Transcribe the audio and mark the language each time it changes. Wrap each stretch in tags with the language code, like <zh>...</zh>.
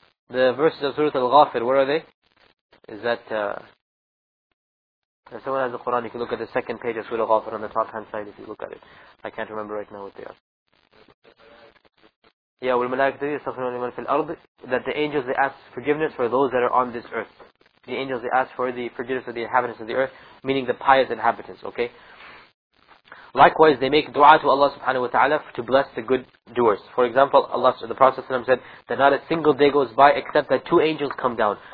<en>The verses of Surah Al-Ghafir. What are they? Is that? If someone has the Quran, you can look at the second page of Surah Ghafir on the top hand side if you look at it. I can't remember right now what they are.</en> <ar>Yeah, وَالْمَلَائِكَةُ يَسْتَغْفِرُونَ لِمَنْ فِي الْأَرْضِ.</ar> <en>That the angels, they ask forgiveness for those that are on this earth. The angels, they ask for the forgiveness of the inhabitants of the earth, meaning the pious inhabitants, okay? Likewise, they make dua to Allah subhanahu wa ta'ala to bless the good doers. For example, Allah, the Prophet ﷺ said that not a single day goes by except that two angels come down.</en>